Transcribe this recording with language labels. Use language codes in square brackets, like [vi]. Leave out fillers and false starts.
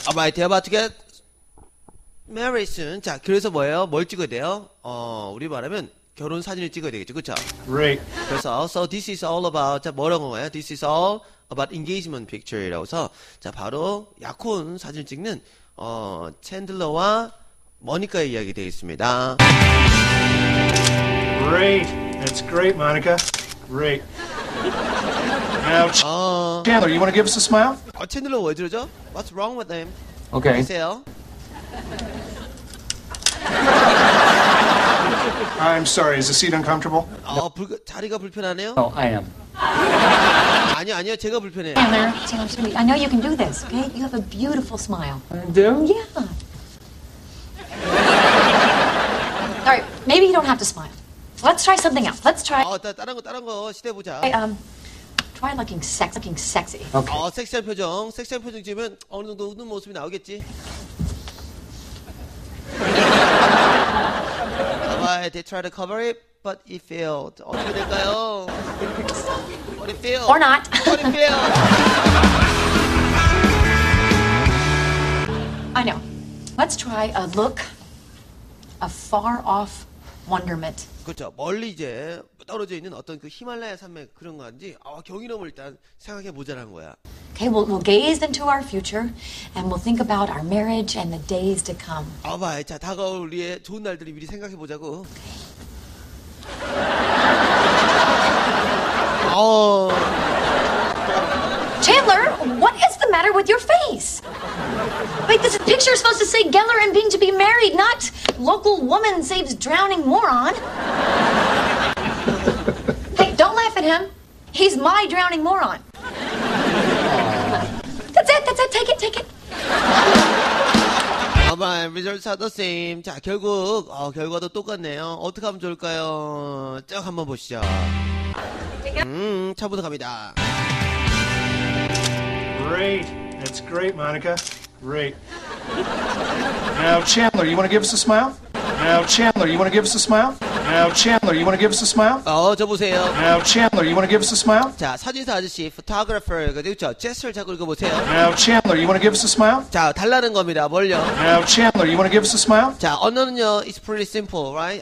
[en] All right, they're about to get married soon. [ko] 자, 그래서 뭐예요? 뭘 찍어야 돼요? 우리 말하면 결혼 사진을 찍어야 되겠죠, 그렇죠? [en] Great. [ko] 그래서 [en] so this is all about [ko] 자 뭐라고 거예요? [en] This is all about engagement picture [ko] 라고서 자 바로 약혼 사진 찍는 챈들러와 모니카의 이야기 되어 있습니다. [en] Great. That's great, Monica. Great. Now, Chandler, you want to give us a smile? 챈들러 [ko] 왜 그러죠? [en] What's wrong with him? Okay. [ko] 보세요. [en] I'm sorry. Is the seat uncomfortable? [ko] 자리가 불편하네요. [en] No, I am. [ko] 아니요, 제가 불편해요. [en] Chandler, Chandler, sweet. I know you can do this. Okay? You have a beautiful smile. I do? Yeah. All right. Maybe you don't have to smile. Let's try something else. Let's try. [ko] 다른 거 시도해 보자. [en] Okay, try looking sexy. [ko] Okay. 섹시한 표정. 섹시한 표정 지으면 어느 정도 웃는 모습이 나오겠지. [en] Alright, they tried to cover it, but it failed. [ko] 어떻게 될까요? [en] What it failed? Or not? What it failed? I know. Let's try a look, a far-off wonderment. [ko] 그렇죠. 멀리 이제 떨어져 있는 어떤 그 히말라야 산맥 그런 건지 경이로움을 일단 생각해 보자는 거야. [en] Okay, we'll gaze into our future and we'll think about our marriage and the days to come. [ko] 자 다가올 우리의 좋은 날들을 미리 생각해 보자고. [en] Chandler, what is the matter with your face? Wait, this picture is supposed to say Geller and Bean to be married, not local woman saves drowning moron. Hey, don't laugh at him. He's my drowning moron. That's it. Take it. Oh my, results are the same. [ko] 자, 결국, 결과도 똑같네요. 어떻게 하면 좋을까요? 쭉 한번 보시죠. 처음부터 갑니다. [en] Great. That's great, Monica. Great. Now, Chandler, you want to give us a smile? Now, Chandler, you want to give us a smile? Now, Chandler, you want to give us a smile? [ko] 저 보세요. [en] Now, Chandler, you want to give us a smile? [ko] 자, 사진사 아저씨, photographer, 그렇죠? 제스처를 자꾸 읽어보세요. [en] Now, Chandler, you want to give us a smile? [ko] 자, 달라는 겁니다. 뭘요? [en] Now, Chandler, you want to give us a smile? [ko] 자, 언어는요, [en] it's pretty simple, right?